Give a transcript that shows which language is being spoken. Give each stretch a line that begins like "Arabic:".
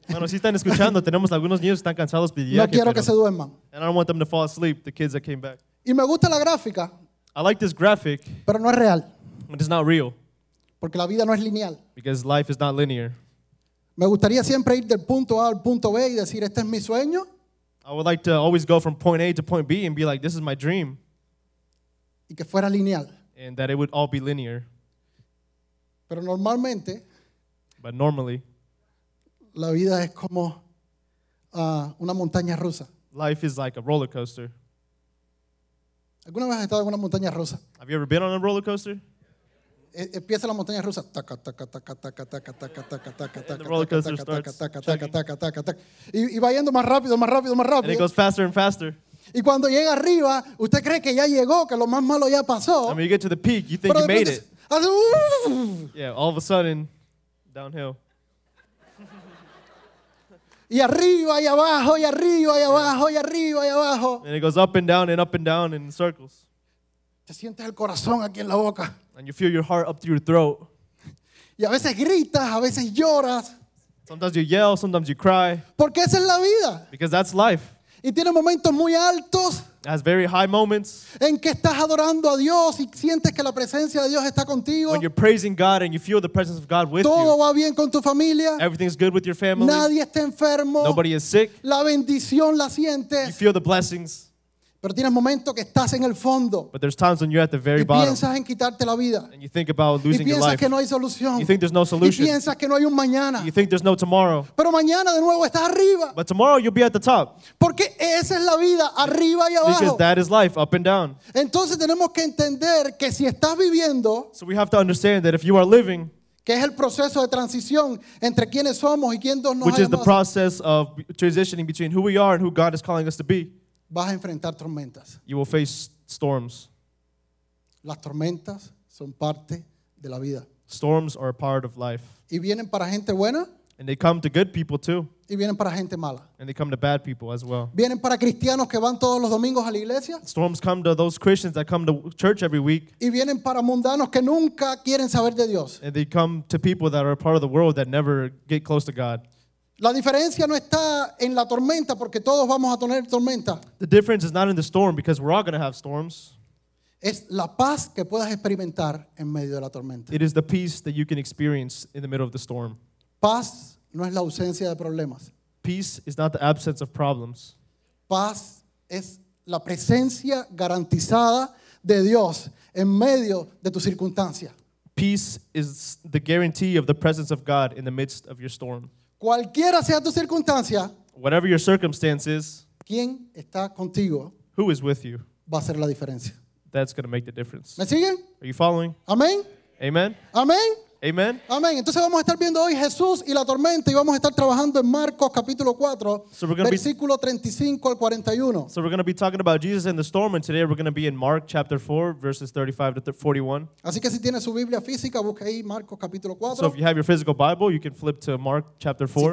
Spanish: Bueno, si están escuchando, tenemos algunos niños que están cansados de viaje. No quiero que se duerman.
English: And I don't want them to fall asleep, the kids that came back.
Spanish: Y me gusta la gráfica.
English: I like this graphic.
Spanish: Pero no es real.
English: But it's not real.
Spanish: Porque la vida no es lineal.
English: Because life is not linear.
Spanish: Me gustaría siempre ir del punto A al punto B y decir, este es mi sueño.
English: I would like to always go from point A to point B and be like, this is my dream.
Spanish: Y que fuera lineal.
English: And that it would all be linear.
Spanish: Pero normalmente,
English: but normally,
Spanish: la vida es como una montaña rusa.
English: Life is like a roller coaster.
Spanish: ¿Alguna vez has estado en una montaña rusa?
English: Have you ever been on a roller coaster?
Spanish: Empieza la montaña rusa, taca taca taca taca taca taca taca taca taca taca taca taca taca taca y va yendo más rápido, más rápido, más rápido.
English: And it goes faster and faster.
Spanish: Y cuando llega arriba, usted cree que ya llegó, que lo más malo ya pasó.
English: And when you get to the peak, you think you made it.
Spanish: Hace,
English: yeah, all of a sudden, downhill.
Spanish: Y arriba y abajo y arriba y abajo y arriba y abajo.
English: And it goes up and down and up and down in circles.
Spanish: Te sientes el corazón aquí en la boca.
English: And you feel your heart up through your throat.
Spanish: Y a veces gritas, a veces lloras.
English: Sometimes you yell, sometimes you cry.
Spanish: Porque esa es la vida.
English: Because that's life.
Spanish: Y tiene momentos muy altos.
English: It has very high moments.
Spanish: En que estás adorando a Dios y sientes que la presencia de Dios está contigo.
English: When you're praising God and you feel the presence of God with
Spanish: Todo
English: you.
Spanish: Todo va bien con tu familia.
English: Everything's good with your family.
Spanish: Nadie está enfermo.
English: Nobody is sick.
Spanish: La bendición la sientes.
English: You feel the blessings.
Spanish: Pero tienes momentos que estás en el fondo.
English: But there's times when you're at the very bottom.
Spanish: Y piensas en quitarte la vida.
English: And you think about losing your life.
Spanish: Y piensas que no hay solución.
English: You think there's no solution.
Spanish: Y piensas que no hay un mañana.
English: You think there's no tomorrow.
Spanish: Pero mañana de nuevo estás arriba.
English: But tomorrow you'll be at the top.
Spanish: Porque esa es la vida, arriba y abajo.
English: Because that is life, up and down.
Spanish: Entonces tenemos que entender que si estás viviendo.
English: So we have to understand that if you are living.
Spanish: Que es el proceso de transición entre quiénes somos y quién Dios nos ha.
English: Which is the process of transitioning between who we are and who God is calling us to be.
Spanish: Vas a enfrentar tormentas.
English: You will face storms.
Spanish: Las tormentas son parte de la vida.
English: Storms are a part of life.
Spanish: Y vienen para gente buena.
English: And they come to good people too.
Spanish: Y vienen para gente mala.
English: And they come to bad people as well.
Spanish: Vienen para cristianos que van todos los domingos a la iglesia.
English: Storms come to those Christians that come to church every week.
Spanish: Y vienen para mundanos que nunca quieren saber de Dios.
English: And they come to people that are a part of the world that never get close to God.
Spanish: La diferencia no está en la tormenta porque todos vamos a tener tormenta.
English: The difference is not in the storm because we're all going to have storms.
Spanish: Es la paz que puedas experimentar en medio de la tormenta.
English: It is the peace that you can experience in the middle of the storm.
Spanish: Paz no es la ausencia de problemas.
English: Peace is not the absence of problems.
Spanish: Paz es la presencia garantizada de Dios en medio de tu circunstancia.
English: Peace is the guarantee of the presence of God in the midst of your storm.
Spanish: Cualquiera sea tu circunstancia,
English: whatever your circumstances,
Spanish: quien está contigo,
English: who is with you,
Spanish: va a hacer la diferencia.
English: That's going to make the difference.
Spanish: ¿Me siguen?
English: Are you following?
Spanish: Amén.
English: Amen.
Spanish: Amén.
English: Amen. Amen.
Spanish: Entonces vamos a estar viendo hoy Jesús y la tormenta y vamos a estar trabajando en Marcos capítulo 4,
English: so we're gonna
Spanish: versículo 35 al 41.
English: So we're going to be talking about Jesus and the storm, and today we're going to be in Mark chapter 4, verses 35 to 41.
Spanish: Así que si tienes su Biblia física, busca ahí Marcos capítulo 4.
English: So if you have your physical Bible, you can flip to Mark chapter 4.